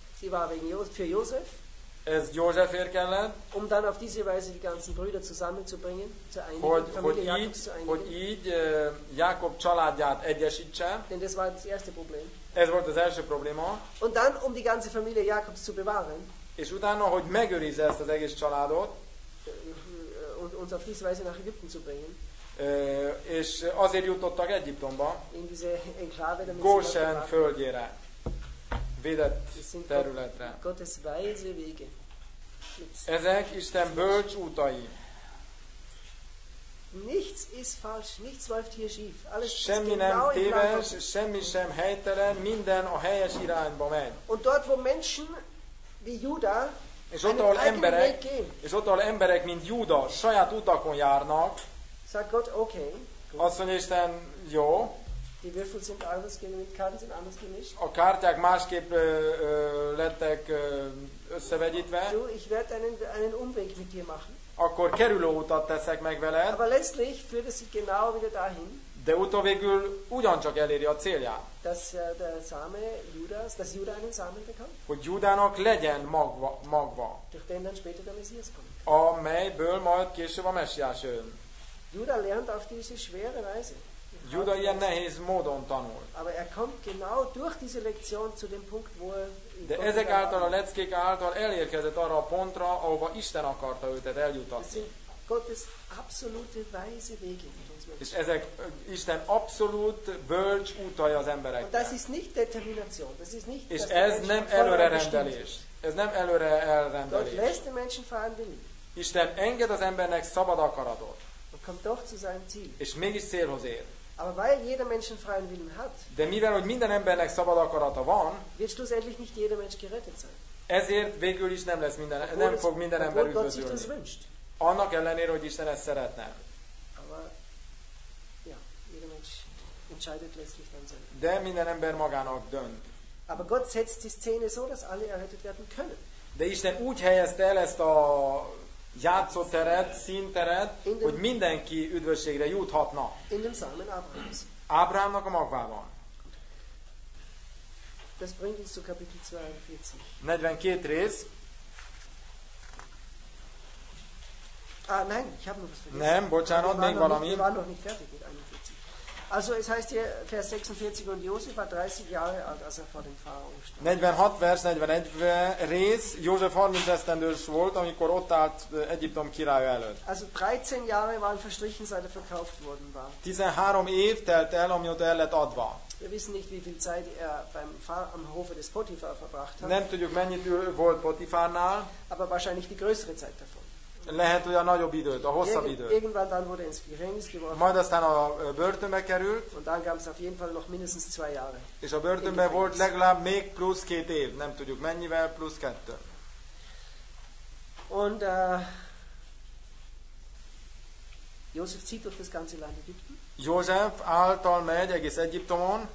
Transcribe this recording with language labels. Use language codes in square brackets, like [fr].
[de] Sie war wegen Josef, für Josef. [hu] Ez Józsefért kellett. [de] Um dann auf diese Weise die ganzen Brüder zusammenzubringen, zu einigen, [hu] hogy így Jákob családját egyesítse. [de] Denn das war das erste Problem. [hu] Ez volt az első probléma. [de] Und dann um die ganze Familie Jakobs zu bewahren. [hu] És utána, hogy megőrizze ezt az egész családot. [de] Und uns auf diese Weise nach Ägypten zu bringen. [hu] És azért jutottak Egyiptomba. [de] In diese Enklave, [hu] damit Goshen földjére. Védett területre. [de] Gottes weise Wege. [hu] Ezek Isten bölcs útai. [de] Nichts ist falsch, nichts läuft hier schief. Alles [hu] semmi nem genau téves, semmi sem helytelen, minden a helyes irányba megy. [de] Und dort wo Menschen wie Juda, [hu] és ott ahol emberek, és ott ahol emberek mint Juda saját utakon járnak. [de] Sag Gott, okay. [hu] Azt mondja Isten, jó. [de] Die Würfel sind anders gemischt, Karten sind anders gemischt. [hu] A kártyák másképp lettek összevegyítve. [de] Du, ich werde einen Umweg mit dir machen. [hu] Akkor kerülőutat teszek meg veled. [de] Aber letztlich führt es sich genau wieder dahin. [hu] De utóvégül ugyancsak eléri a célját. [de] Dass der Same Judas, dass Juda einen Samen bekam. [hu] Hogy Judának legyen magva. [de] Durch den dann später der Messias kommt. [hu] Amelyből majd később a Messiás jön. [de] Juda lernt auf diese schwere Weise. [hu] Juda ilyen nehéz módon tanul. [de] Aber er kommt genau durch diese Lektion zu dem Punkt, wo er. [hu] De ezek által, a leckék által elérkezett arra a pontra, ahova Isten akarta őt eljutatni. [de] Gottes absolute weise Wege. [hu] És ezek Isten abszolút bölcs útai az embereknek. [de] Das ist nicht Determination. Das ist nicht. [hu] És ez nem előre rendelés. Ez nem előre elrendelés. [de] Gott lässt den Menschen fahren, den nicht. [hu] Isten enged az embernek szabad akaratot. [de] Und kommt doch zu seinem Ziel. [hu] És mégis célhoz ér. [de] Aber weil jeder Menschen freien Willen hat, [hu] de mivel hogy minden embernek szabad akarata van, [de] wird schlussendlich nicht jeder Mensch gerettet sein. [hu] Ezért végül is nem lesz minden, nem fog minden ember üdvözülni. Annak ellenére, hogy Isten ezt szeretne. [de] Aber ja, jeder Mensch entscheidet letztlich dann selbst. [hu] De minden ember magának dönt. [de] Aber Gott setzt die Szene so, dass alle errettet werden können. [hu] De Isten úgy helyezte el ezt a játszóteret, színteret, hogy mindenki üdvösségre juthatna. [de] In dem Samen Abrahams. [hu] Abrahamnak a magvában. [de] Das bringt uns zu Kapitel 42. [hu] 42 rész. [de] Ah, nein, ich habe noch was vergessen. [hu] Nem, bocsánat, még valami. [de] Wir waren noch nicht fertig mit 41. Also es heißt hier Vers 46 und Josef war 30 Jahre alt, als er vor dem Pharao stand. [hu] 46 vers, 41 rész, József 30 esztendős volt, amikor ott állt Egyiptom királya előtt. [de] Also 13 Jahre waren verstrichen, seit er verkauft worden war. [hu] 13 év telt el, amióta el lett adva. [de] Wir wissen nicht, wie viel Zeit er beim am Hofe des Potiphar verbracht hat. [hu] Nem tudjuk, mennyit volt Potiphárnál. [de] Aber wahrscheinlich die größere Zeit davon. [hu] Lehet, hogy a nagyobb időt, a hosszabb időt. [de] Irgendwann dann wurde ins Gefängnis geworfen. [hu] Majd aztán a börtönbe került. [de] Und dann gab es auf jeden Fall noch mindestens zwei Jahre. [hu] És a börtönben volt legalább még plusz két év, nem tudjuk mennyivel, plusz kettő. [de] Und Josef zieht durch das ganze Land Ägypten. [hu] József által megy egész Egyiptomon.